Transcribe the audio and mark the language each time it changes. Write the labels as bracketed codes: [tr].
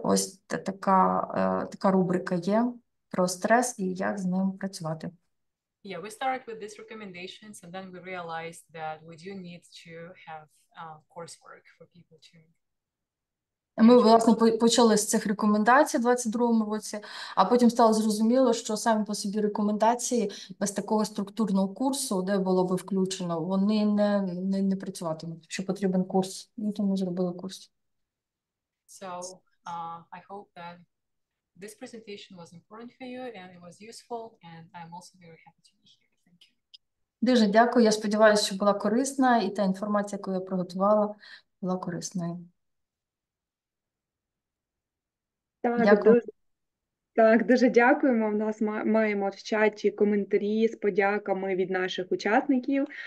[uk] Ось така рубрика є про стрес і як з ним працювати. [en] Yeah, we started with these recommendations and then we realized that we do need to have coursework for people to [uk] Ми, [en] introduce. [uk] власне, почали з цих рекомендацій в 22-му році, а потім стало зрозуміло, що самі по собі рекомендації без такого структурного курсу, де було би включено, вони не працюватимуть, що потрібен курс. Ну, тому зробили курс. [en] So, I hope that this presentation was important for you and it was useful, and I'm also very happy to be here. Thank you. [uk] Дуже дякую. Я сподіваюся, що була корисна, і та інформація, яку я приготувала, була корисною. Так, Дякую. дуже дякуємо. У нас маємо в чаті коментарі з подяками від наших учасників.